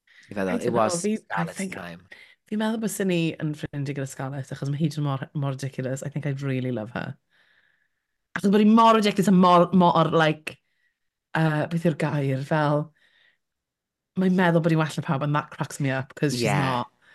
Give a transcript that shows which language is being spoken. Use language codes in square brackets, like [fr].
[cy] I feddwl, [en] it was Scarlett's time. [cy] Fi'n meddwl bod syni yn ffrindu gyda Scarlett, achos mae hi yn mor ridiculous. [en] I think I'd really love her. [cy] Achos bod hi mor ridiculous a mor like, beth yw'r gair, fel... Mae'n meddwl bod hi'n well na pawb, [en] and that cracks me up, because she's not.